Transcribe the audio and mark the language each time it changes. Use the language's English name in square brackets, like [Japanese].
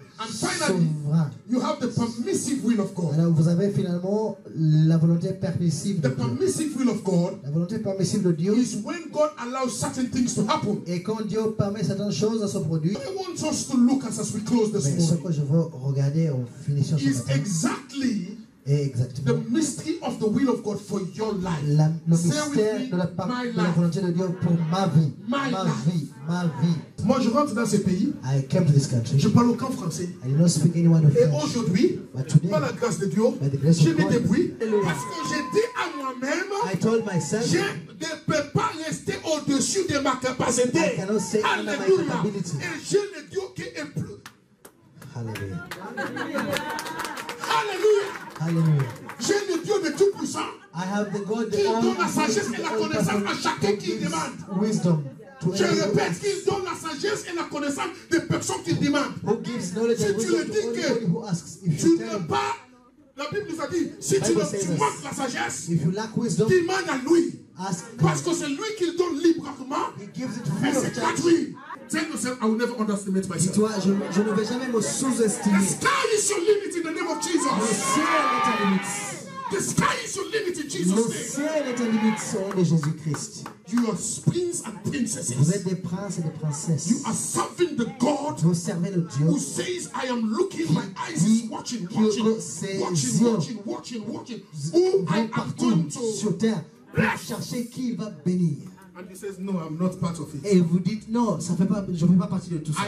[English] And finally, you have the permissive will of God. [French] Alors vous avez finalement la volonté permissive de [English] Dieu. The permissive will of God. [French] La volonté permissive de Dieu. [English] Is when God allows certain things to happen. [French] Et quand Dieu permet certaines choses à se produire. [English] I want us to look at as we close this morning. [French] Mais ce que je veux regarder en finissant ce matin. [English] Is exactly. [French] Et exactement. [English] The mystery of the will of God for your life. [French] Le mystère de la volonté de Dieu pour ma vie. Ma vie. Moi, je rentre dans ce pays. [English] I came to this country. [French] Je parle aucun français. [English] I do not speak any word of [French] French. Et aujourd'hui, [English] today, [French] par la grâce de Dieu, [English] by the grace [French] je me débrouille. Parce que j'ai dit à moi-même, [English] I told myself, [French] je ne peux pas rester au-dessus de ma capacité. [English] I cannot say Alléluia. My capability. [French] Et j'ai le Dieu qui est plus. Hallelujah. Hallelujah. Hallelujah. J'ai le Dieu de tout puissant. [English] I have the God [French] qui donne la sagesse et la connaissance à chacun qui demande. [English] Wisdom. [French] Je répète, qu'il donne la sagesse et la connaissance des personnes qui demandent. Si tu le dis que tu n'as pas, la Bible nous a dit, si tu manques la sagesse, [English] if you lack wisdom, [French] demande à lui. Parce que c'est lui qui le donne librement. [English] He gives it free. [French] Et c'est gratuit. [English] Tell yourself, I will never underestimate myself. [French] Dis-toi, je ne vais jamais me sous-estimer. [English] The sky is your limit in the name of Jesus. [French] Le ciel est ta limite. [English] The sky is your limit in Jesus' name. [French] Le ciel est ta limite au nom de Jésus-Christ. [English] You are prince and princesses. [French] Vous êtes des princes et des princesses. [English] You are serving the God. [French] Vous servez le Dieu. [English] Who says I am looking, my eyes is watching, watching. Who I am going to [French] sur terre pour chercher qui va bénir. [English] And he says, no, I'm not part of it. [French] Et vous dites non, ça fait pas, je ne fais pas partie de tout ça.